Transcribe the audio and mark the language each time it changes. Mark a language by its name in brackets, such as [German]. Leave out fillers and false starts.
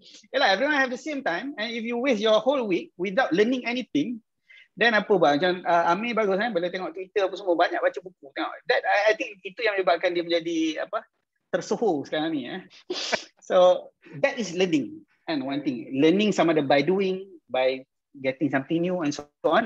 [English] Yelah, everyone have the same time, and if you waste your whole week without learning anything, then [Malay] apa bang? Macam Amir bagus kan, bila tengok Twitter apa semua, banyak baca buku. [English] That I think [Malay] itu yang menyebabkan dia menjadi apa, tersohor sekarang ni. [English] So that is learning, and one thing, learning [Malay] sama ada [English] by doing, by getting something new and so on.